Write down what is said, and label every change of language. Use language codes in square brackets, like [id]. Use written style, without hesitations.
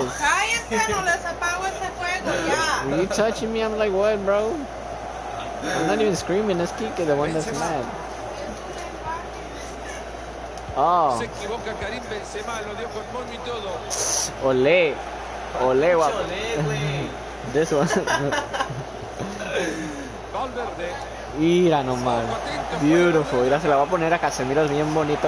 [es] Oh, cállense, no les apago ese fuego ya. [en] Yeah. Are you touching me? I'm like, what, bro? I'm not even screaming. That's Kike, the one that's mad. Oh. [es] Se equivoca Karim Benzema, lo dio con Momi y todo. Olé, olé, guapo. Olé, güey. De eso. Valverde. Mira nomás. Beautiful. Mira, se la va a poner a Casemiro, es bien bonito.